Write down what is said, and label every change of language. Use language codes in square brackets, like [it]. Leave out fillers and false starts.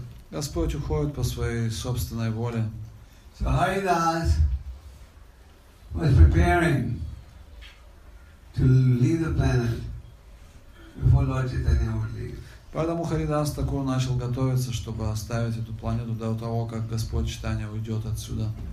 [ru] Господь уходит по своей собственной воле. [en] So Haridas was preparing to leave the planet before Lord Chaitanya would leave. [ru] Поэтому Харидас такой начал готовиться, чтобы оставить эту планету до того, как Господь Чайтанья уйдет отсюда.